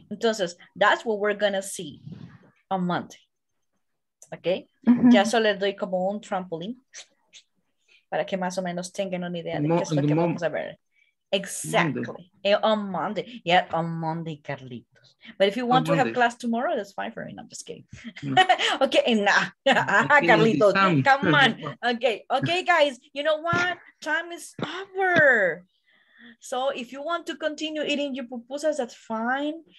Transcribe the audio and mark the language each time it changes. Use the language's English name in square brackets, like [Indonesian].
[Spanish] Entonces, [English] that's what we're going to see on Monday. Okay? Mm-hmm. [Spanish] Ya solo le doy como un trampolín para que más o menos tengan una idea de qué es lo que vamos a ver. [English] Exactly. On Monday. Yeah, on Monday, Carlito. But if you want to have class tomorrow, that's fine for me. No, I'm just kidding. No. Okay, nah. Carlito, come on. Okay, guys, you know what? Time is over. So if you want to continue eating your pupusas, that's fine.